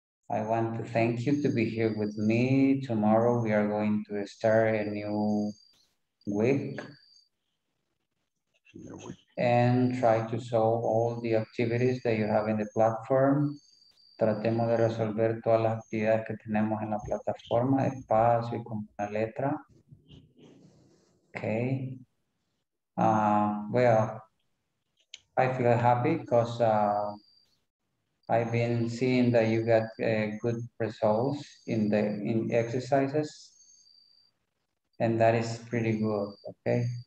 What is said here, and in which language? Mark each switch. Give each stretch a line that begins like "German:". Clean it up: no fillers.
English: I want to thank you to be here with me. Tomorrow we are going to start a new week and try to solve all the activities that you have in the platform.
Spanish: Tratemos de resolver todas las actividades que tenemos en la plataforma, espacio y con una letra.
English: Okay. Well, I feel happy because I've been seeing that you got good results in the exercises, and that is pretty good, okay?